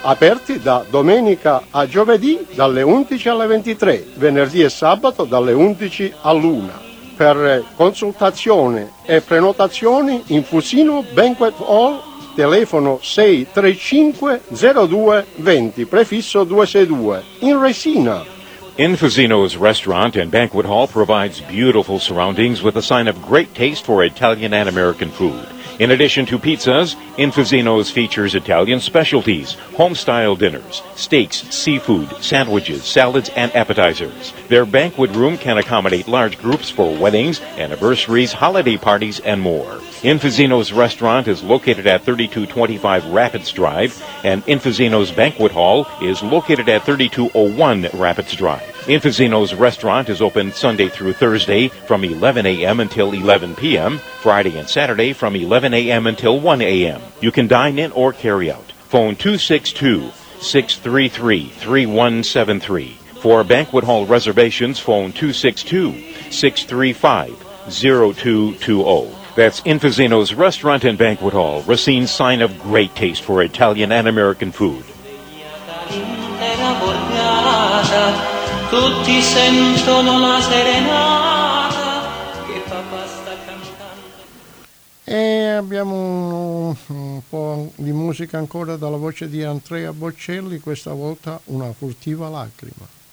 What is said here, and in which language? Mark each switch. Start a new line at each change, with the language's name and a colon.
Italian: Aperti da domenica a giovedì dalle 11 alle 23, venerdì e sabato dalle 11 all'1. Per consultazione e prenotazioni, Infusino Banquet Hall, telefono 635-0220, prefisso 262, in Resina.
English: Infusino's restaurant and banquet hall provides beautiful surroundings with a sign of great taste for Italian and American food. In addition to pizzas, Infusino's features Italian specialties, home-style dinners, steaks, seafood, sandwiches, salads, and appetizers. Their banquet room can accommodate large groups for weddings, anniversaries, holiday parties, and more. Infusino's restaurant is located at 3225 Rapids Drive, and Infusino's banquet hall is located at 3201 Rapids Drive. Infusino's restaurant is open Sunday through Thursday from 11 a.m. until 11 p.m., Friday and Saturday from 11 a.m. until 1 a.m. You can dine in or carry out. Phone 262-633-3173. For banquet hall reservations, phone 262-635-0220. That's Infusino's restaurant and banquet hall, Racine's sign of great taste for Italian and American food.
Italian: Tutti sentono la serenata che papà sta cantando. E abbiamo un po' di musica ancora dalla voce di Andrea Bocelli, questa volta Una furtiva lacrima.